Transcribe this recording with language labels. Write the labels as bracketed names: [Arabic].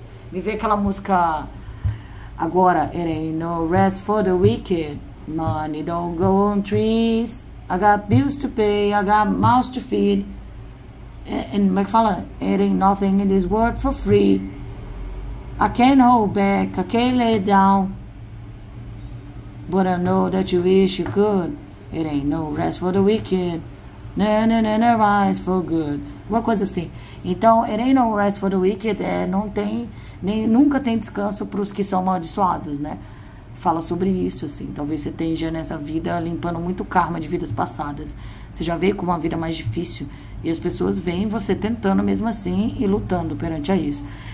[Portuguese] Me vê aquela música agora, [English] It ain't no rest for the wicked. Money don't grow on trees. I got bills to pay, I got mouths to feed. And [Portuguese] como é que fala? [English] It ain't nothing in this world for free. I can't hold back, I can't lay down. But I know that you wish you could. It ain't no rest for the wicked. Na na na na rise for good. [Portuguese] Uma coisa assim. Então, [English] it ain't no rest for the wicked [Portuguese] não tem, nem nunca tem descanso para os que são amaldiçoados, né? Fala sobre isso, assim. Talvez você esteja nessa vida limpando muito karma de vidas passadas. Você já veio com uma vida mais difícil. E as pessoas veem você tentando mesmo assim e lutando perante a isso.